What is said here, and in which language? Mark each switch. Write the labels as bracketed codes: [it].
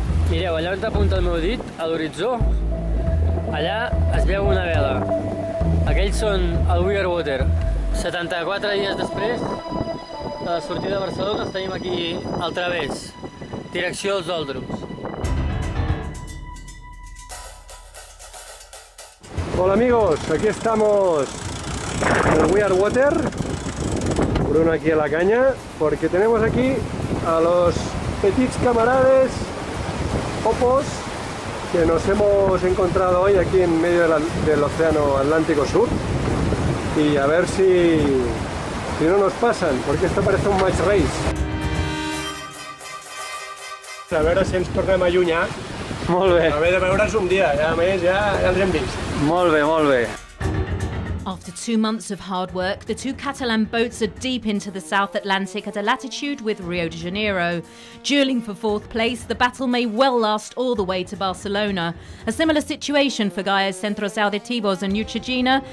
[ca] Mireu, allà on t'apunta el meu dit, a l'horitzó, allà es veu una vela. Aquells són el We Are Water. 74 dies després de la sortida de Barcelona, els tenim aquí al través, direcció als Oldrums. [es] Hola amigos, aquí estamos en el We Are Water, Bruno aquí a la caña, porque tenemos aquí a los petits camarades popos que nos hemos encontrado hoy aquí en medio del océano Atlántico Sur, y a ver si no nos pasan, porque esto parece un match race. [ca] A ver si ens tornem a allunyar. Molt bé. A veure, veure'ns un dia, ja, a més ja els hem vist. Molt bé, molt bé. [en] After 2 months of hard work, the two Catalan boats are deep into the South Atlantic at a latitude with Rio de Janeiro. Dueling for fourth place, the battle may well last all the way to Barcelona. A similar situation for Gaia's Centros Auditivos and Neutrogena.